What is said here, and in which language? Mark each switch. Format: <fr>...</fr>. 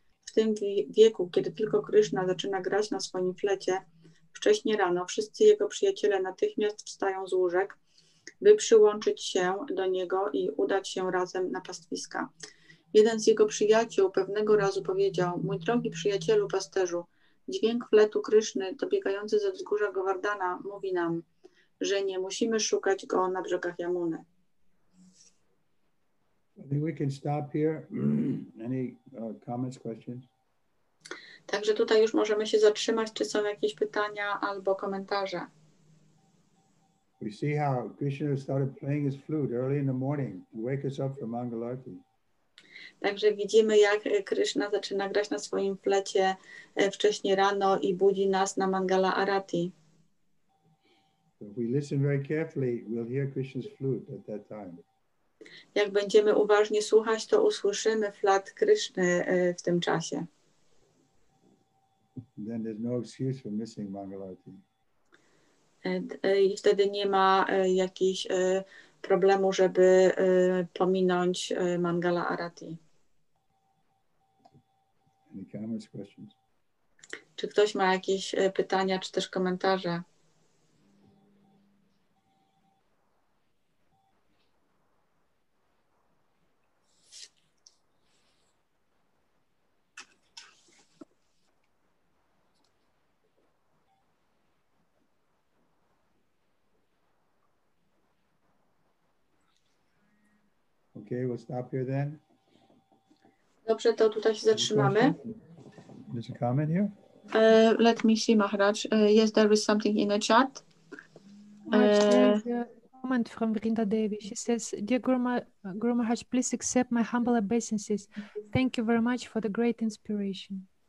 <pl>W tym wieku, kiedy tylko Kryszna zaczyna grać na swoim flecie, wcześnie rano wszyscy jego przyjaciele natychmiast wstają z łóżek, by przyłączyć się do niego i udać się razem na pastwiska. Jeden z jego przyjaciół pewnego razu powiedział: "Mój drogi przyjacielu pasterzu, dźwięk fletu Kryszny dobiegający ze wzgórza Govardhana mówi nam, że nie musimy szukać go na brzegach Yamuny."</pl> <en>I think we can stop here. Any comments, questions?</en> <pl>Także tutaj już możemy się zatrzymać, czy są jakieś pytania albo komentarze.</pl> <en>We see how Krishna started playing his flute early in the morning to wake us up from Mangalarti.</en> <pl>Także widzimy, jak Krishna zaczyna grać na swoim flecie wcześnie rano i budzi nas na Mangala Arati.</pl> <en>If we listen very carefully, we'll hear Krishna's flute at that time.</en> <pl>Jak będziemy uważnie słuchać, to usłyszymy flat Kryszny w tym czasie.</pl> <en>Then there's no excuse for missing Mangalarti.</en> <pl>I wtedy nie ma jakiś problemu, żeby pominąć Mangala Arati.</pl> <en>Any comments, questions?</en> <pl>Czy ktoś ma jakieś pytania czy też komentarze?</pl> <en>Okay, we'll stop here then.</en> <pl>Dobrze, to tutaj się zatrzymamy.</pl> <en>There's a comment here? Let me see, Maharaj. Yes, there is something in the chat. There's a comment from Vrinda Devi. She says, "Dear Guru Maharaj, please accept my humble obeisances. Thank you very much for the great inspiration."</en>